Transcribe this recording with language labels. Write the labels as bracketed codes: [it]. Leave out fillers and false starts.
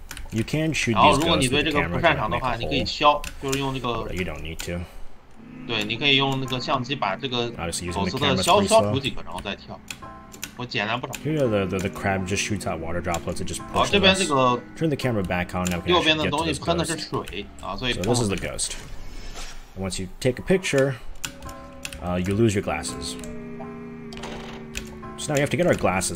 [en] You can shoot these ghosts with the camera, but make a hole. [zh] 就是用这个, [en] but you don't need to. [zh] 对, 你可以用那个相机把这个, [en] obviously using the camera pretty slow. [zh] 消除几个然后再跳, 我剪了不少, [en] here the crab just shoots out water droplets, it just pushes us. Turn the camera back on, now we can actually get to this ghost. 啊, so this is the ghost. And once you take a picture, you lose your glasses. So now we have to get our glasses